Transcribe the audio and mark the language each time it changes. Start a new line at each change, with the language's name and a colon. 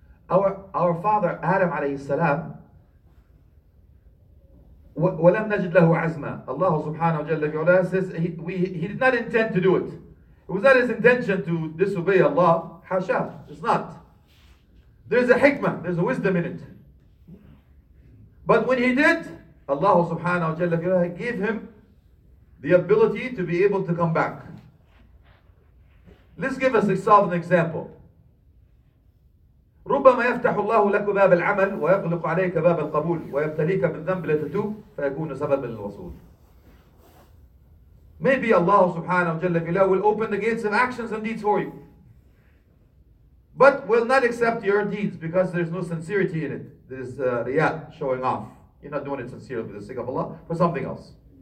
English: Our father Adam
Arabic: عليه السلام وَلَمْ نَجِدْ لَهُ عَزْمًا.
English: Allah subhanahu wa jalla fi'ala says he did not intend to do it. It was not his intention to disobey Allah.
Arabic: حَشَا.
English: It's not. There's a hikmah, there's a wisdom in it. But when he did, Allah subhanahu wa jalla fi'ala gave him the ability to be able to come back. Let's give us a solid example.
Arabic: ربما يفتح الله لك باب العمل ويغلق عليك باب القبول ويبتليك بالذنب لتتوب فيكون سبب للوصول.
English: Maybe Allah subhanahu wa jalla fi la will open the gates of actions and deeds for you. But will not accept your deeds because there's no sincerity in it. This riya showing off. You're not doing it sincerely for the sake of Allah, for something else.